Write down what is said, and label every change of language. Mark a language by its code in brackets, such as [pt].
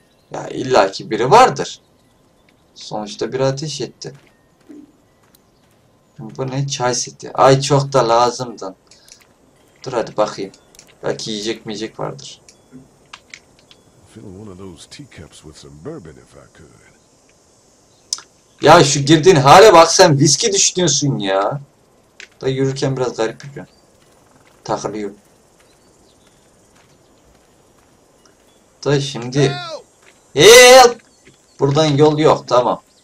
[tr] Ya illaki biri vardır. Sonuçta bir ateş etti. Bu ne çay seti? Ay çok da lazımdın. Dur hadi bakayım. Belki yiyecek miyecek vardır. [en] Fill one of those teacups with some bourbon if I could. [tr] Ya şu girdiğin hale bak sen viski düşünüyorsun ya. Da yürürken biraz garip yürüyorum. Takılıyorum. Da şimdi. Help! Buradan yol yok tamam.